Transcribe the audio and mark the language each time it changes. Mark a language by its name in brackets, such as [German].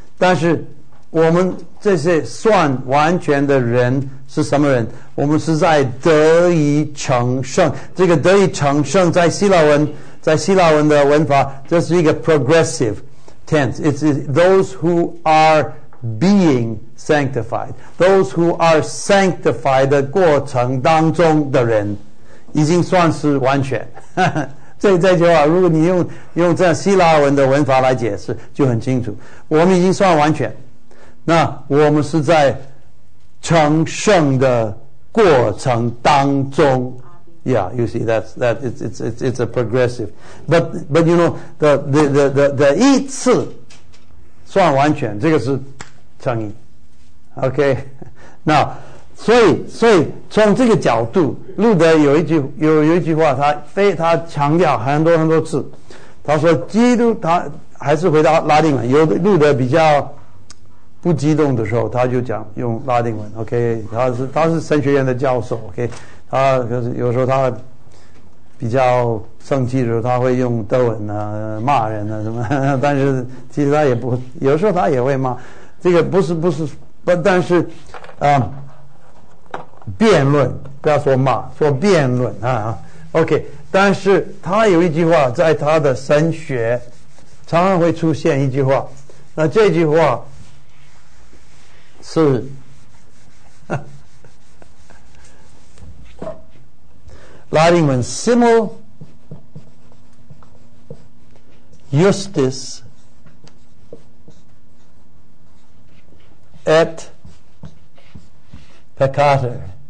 [Chinese] 但是我们这些算完全的人是什么人？我们是在得以成圣。这个得以成圣在希腊文在希腊文的文法，这是一个 progressive tense. [English] It's those who are being sanctified. Those who are sanctified [Chinese] 的过程当中的人，已经算是完全。这句话，如果你用这样希腊文的文法来解释，就很清楚。我们已经算完全，那我们是在成圣的过程当中。 [English] Yeah, you see, it's a progressive. But you know, the [Chinese] 一次算完全，这个是成义。 OK, now, 所以从这个角度，路德有一句话，他强调很多很多次，他说基督，他还是回到拉丁文，有的路德比较不激动的时候，他就讲用拉丁文。 OK, 他是神学院的教授。OK,他就是有时候他比较生气的时候，他会用德文啊骂人啊什么，但是其实他也不，有时候他也会骂，这个不是，但是啊，辩论，不要说骂，说辩论啊。 OK, 但是他有一句话，在他的神学常常会出现一句话，那这句话是。拉丁文 [Latin] simul justus et peccator.